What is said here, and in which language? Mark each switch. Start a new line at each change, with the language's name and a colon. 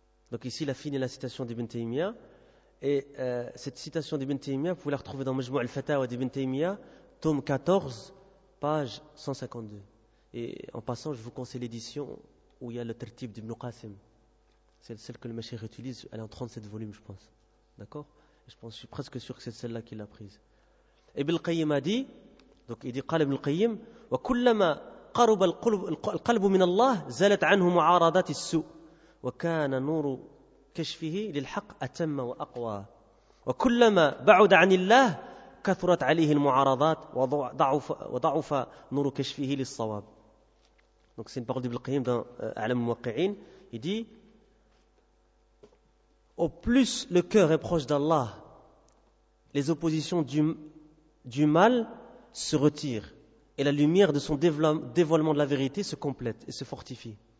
French: Donc ici, la fin est la citation d'Ibn Taymiyyah. Et cette citation d'Ibn Taymiyyah, vous pouvez la retrouver dans Majmou' al-Fatawa d'Ibn Taymiyyah, tome 14, page 152. Et en passant, je vous conseille l'édition où il y a le tertib d'Ibn Qasim. C'est celle que le Mashaykh utilise, elle est en 37 volumes, je pense. D'accord? Je pense, je suis presque sûr que c'est celle-là qu'il a prise. Ibn al-Qayyim a dit, donc il dit,
Arabic: قال Ibn al-Qayyim, وَكُلَّمَا قَرُبَ الْقَلْبُ مِنَ اللَّهِ زَلَتْ عَنْهُ مُعَارَضَاتِ السُّءِ وَكَانَ نُورُ كَشْفِهِ لِلْحَقِّ أَتَمَّ وَأَقْوَى وَكُلَّمَا بَعُدَ عَنِ اللَّهِ كَثُرَتْ عَلَيْهِ الْمُعَارَضَاتُ وَضَعُفَ نُورُ كَشْفِهِ لِلصَّوَابِ.
French: Donc c'est une parole d'Ibn al-Qayyim dans A'lam al-Muwaqqi'in. Il dit, au plus le cœur est proche d'Allah, les oppositions du mal se retirent et la lumière de son dévoilement de la vérité se complète et se fortifie.